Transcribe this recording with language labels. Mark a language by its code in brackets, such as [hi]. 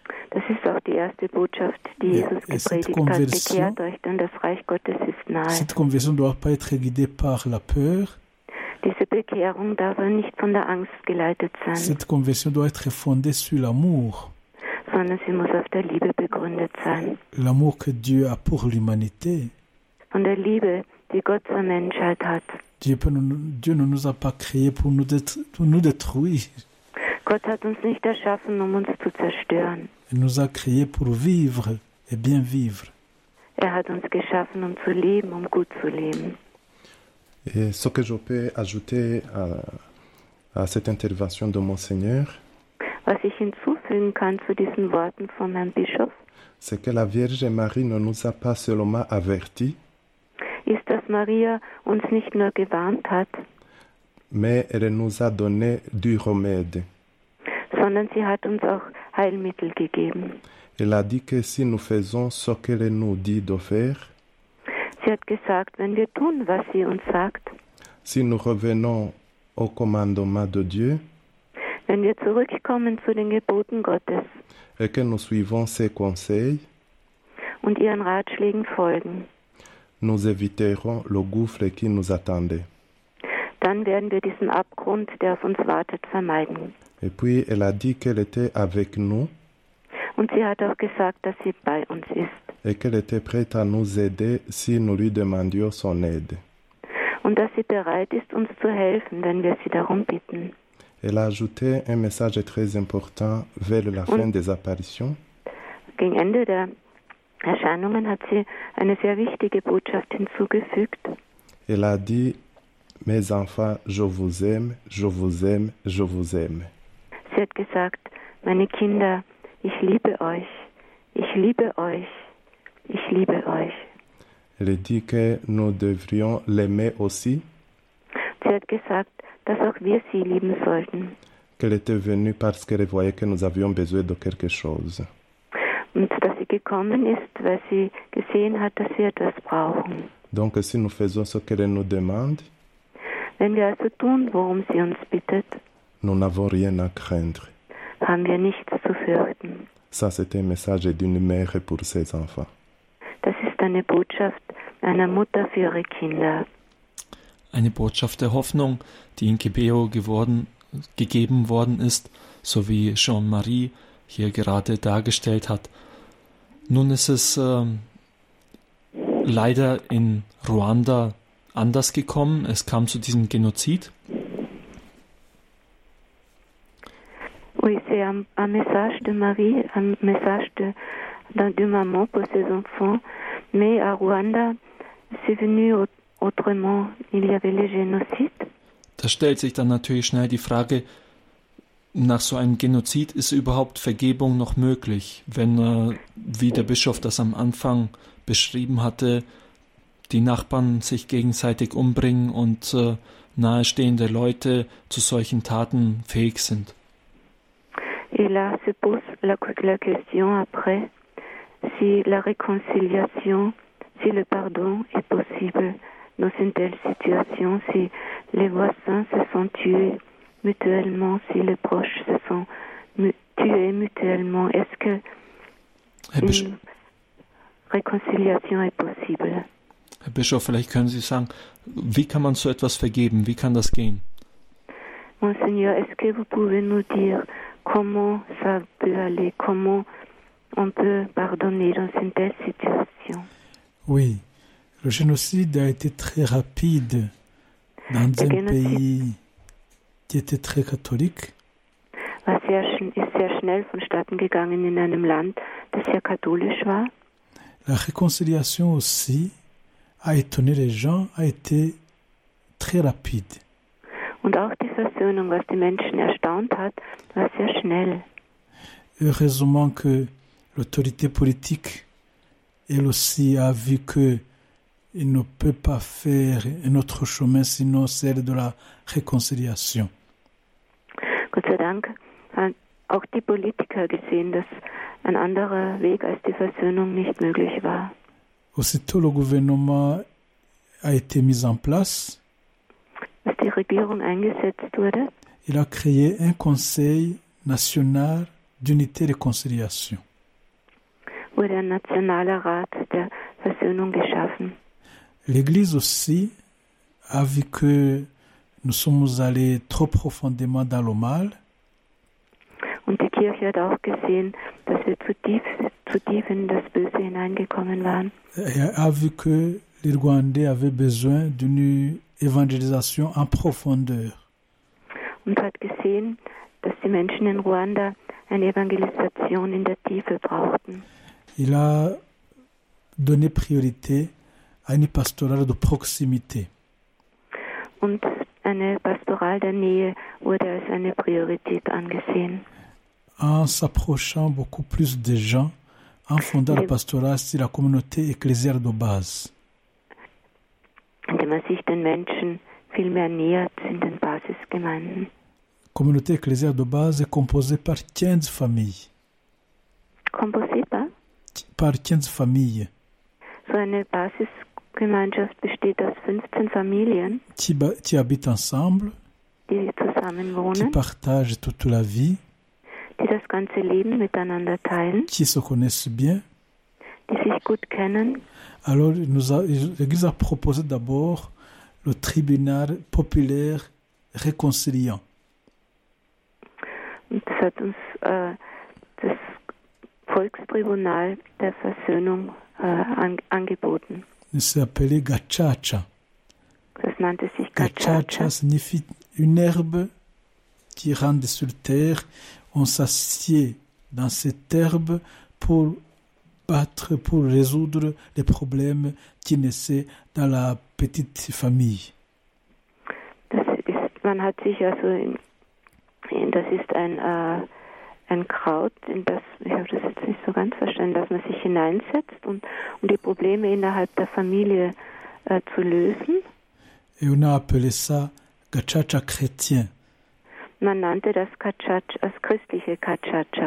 [de] Das ist auch die erste Botschaft, die Jesus gepredigt hat. Bekehrt euch, denn das Reich Gottes ist nahe. [fr] Cette conversion ne doit pas être guidée par la peur. [de] Diese Bekehrung darf nicht von der Angst geleitet sein. [fr] Cette conversion doit être fondée sur l'amour. [de] Sondern sie muss auf der Liebe begründet sein. [fr] L'amour que Dieu a pour l'humanité. [de] Von der Liebe, die Gott zur Menschheit hat. [fr] Dieu ne nous a pas créés pour nous détruire. [de] Gott hat uns nicht erschaffen, uns zu zerstören. [fr] Il nous a créés pour vivre et bien vivre. [de] Er hat uns geschaffen, zu leben, gut zu leben. [fr] Et ce que je peux ajouter à cette intervention de Monseigneur, [de] was ich hinzufügen kann zu diesen Worten von Herrn Bischof, [fr] c'est que la Vierge Marie ne nous a pas seulement averti, [de] ist, dass Maria uns nicht nur gewarnt hat, [fr] mais elle nous a donné du remède, [de] sondern sie hat uns auch Heilmittel gegeben. [fr] Elle a dit que si nous faisons ce qu'elle nous dit de faire, [de] sie hat gesagt, wenn wir tun, was sie uns sagt, [fr] si nous revenons au commandement de Dieu, [de] wenn wir zurückkommen zu den Geboten Gottes, [fr] et que nous suivons ses conseils, [de] und ihren Ratschlägen folgen, [fr] nous éviterons le gouffre qui nous attendait. [de] Dann werden wir diesen Abgrund, der auf uns wartet, vermeiden. [fr] Et puis elle a dit qu'elle était avec nous. [de] Und sie hat auch gesagt, dass sie bei uns ist. [fr] Et qu'elle était prête à nous aider si nous lui demandions son aide. [de] Und dass sie bereit ist, uns zu helfen, wenn wir sie darum bitten. [fr] Elle a ajouté un message très important vers la fin des apparitions. [de] Gegen Ende der Erscheinungen hat sie eine sehr wichtige Botschaft hinzugefügt. [fr] Elle a dit, mes enfants, je vous aime, je vous aime, je vous aime. [de] Sie hat gesagt, meine Kinder, ich liebe euch, ich liebe euch, ich liebe euch. [fr] Elle dit que nous devrions l'aimer aussi. [de] Sie hat gesagt, dass auch wir sie lieben sollten. [fr] Qu'elle était venue parce qu'elle voyait que nous avions besoin de quelque chose. [de] Und dass sie gekommen ist, weil sie gesehen hat, dass wir etwas brauchen. [fr] Donc si nous faisons ce qu'elle nous demande, [de] wenn wir also tun, worum sie uns bittet, [fr] nous n'avons rien à craindre. [de] Haben wir nichts zu fürchten. [fr] Ça, c'était un message d'une mère pour ses enfants. [de] Das ist eine Botschaft einer Mutter für ihre Kinder. Eine Botschaft der Hoffnung, die in Kibeo gegeben worden ist, so wie Jean-Marie hier gerade dargestellt hat. Nun ist es leider in Ruanda anders gekommen. Es kam zu diesem Genozid. [fr] Oui, c'est un message de Marie, un message de maman pour ses enfants. Mais à Ruanda, c'est venu autrement. Il y avait le génocide. [de] Da stellt sich dann natürlich schnell die Frage, nach so einem Genozid ist überhaupt Vergebung noch möglich, wenn, wie der Bischof das am Anfang beschrieben hatte, die Nachbarn sich gegenseitig umbringen und nahestehende Leute zu solchen Taten fähig sind. [fr] Et là se pose la question après, si la réconciliation, si le pardon est possible dans une telle situation, si les voisins se sont tués mutuellement, si les proches se sont tués mutuellement, est-ce que réconciliation est possible? [de] Herr Bischof, vielleicht können Sie sagen, wie kann man so etwas vergeben? Wie kann das gehen? [fr] Monseigneur, est-ce que vous pouvez nous dire comment ça peut aller? Comment on peut pardonner dans une telle situation. Oui, le génocide a été très rapide dans un pays qui était très catholique. La réconciliation aussi a étonné les gens, a été très rapide. [de] Und auch die Versöhnung, was die Menschen erstaunt hat, war sehr schnell. [fr] Heureusement que l'autorité politique, elle aussi, a vu qu'il ne peut pas faire un autre chemin sinon celle de la réconciliation. [de] Gott sei Dank haben auch die Politiker gesehen, dass ein anderer Weg als die Versöhnung nicht möglich war. [fr] Aussitôt, le gouvernement a été mis en place. [de] Als die Regierung eingesetzt wurde, [fr] il a créé un Conseil national d'unité et de conciliation. [de] Wurde ein nationaler Rat der Versöhnung geschaffen. [fr] L'Église aussi a vu que nous sommes allés trop profondément dans le mal. [de] Und die Kirche hat auch gesehen, dass wir zu tief in das Böse hineingekommen waren. [fr] Et a vu que les Rwandais avaient besoin d'une évangélisation en profondeur. [de] Und hat gesehen, dass die Menschen in Ruanda eine Evangelisation in der Tiefe brauchten. [fr] Il a donné priorité à une pastorale de proximité. [de] Und eine Pastoral der Nähe wurde als eine Priorität angesehen. [fr] En s'approchant beaucoup plus des gens, en fondant la pastorale sur la communauté ecclésiale de base. [de] Indem man sich den Menschen viel mehr nähert in den Basisgemeinden. [fr] Communauté ecclésiale de base est composée par 15 familles. Composée par? Par 15 familles. [de] So eine Basisgemeinschaft besteht aus 15 Familien. [fr] Qui habitent ensemble. [de] Die zusammen wohnen. [fr] Qui partagent toute la vie. [de] Die das ganze Leben miteinander teilen. [fr] Qui se connaissent bien. [de] Die sich gut kennen. [fr] Alors, l'Église a proposé d'abord le tribunal populaire réconciliant. [de] Und das hat uns das Volkstribunal der Versöhnung angeboten. [fr] Il s'est appelé Gachacha. [de] Das nannte sich Gachacha. [fr] Gachacha signifie une herbe qui rentre sur terre. On s'assied dans cette herbe pour battre pour résoudre les problèmes qui naissaient dans la petite famille. [de] Das ist ein Kraut, in das, ich habe das jetzt nicht so ganz verstanden, dass man sich hineinsetzt, um die Probleme innerhalb der Familie zu lösen. [fr] Et on a appelé ça Gachacha chrétien. [de] Man nannte das Gachacha, das christliche Gachacha.